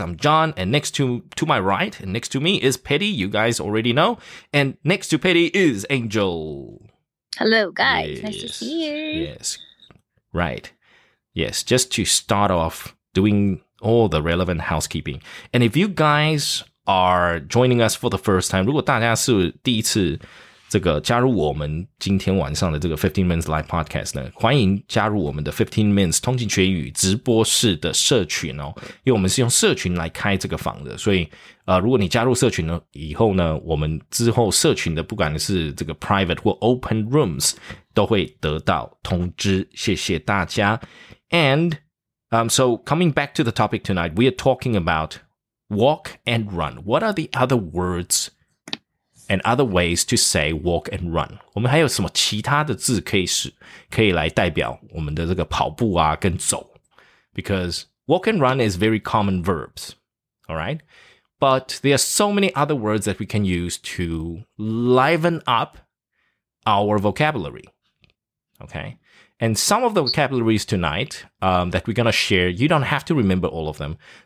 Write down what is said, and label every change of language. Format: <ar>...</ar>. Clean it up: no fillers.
<en>I'm John, and next to my right, and next to me is Petty. You guys already know. And next to Petty is Angel. Hello, guys. Yes. Nice to see you. Yes. Right. Yes. Just to start off doing all the relevant housekeeping. And if you guys are joining us for the first time,</en> <zh>如果大家是第一次加入我们今天晚上的这个 15 Minutes Live Podcast 呢, 欢迎加入我们的 15 Minutes 通勤学语直播室的社群哦, 因为我们是用社群来开这个房的, 所以, 如果你加入社群以后呢, 我们之后社群的不管是这个 private 或 open rooms 都会得到通知, 谢谢大家。</zh> <en>And so coming back to the topic tonight, we are talking about walk and run. What are the other words and other ways to say walk and run?</en> <zh>我们还有什么其他的字可以来代表我们的这个跑步啊跟走?</zh> <en>Because walk and run is very common verbs, all right? But there are so many other words that we can use to liven up our vocabulary, okay? And some of the vocabularies tonight that we're going to share, you don't have to remember all of them.</en>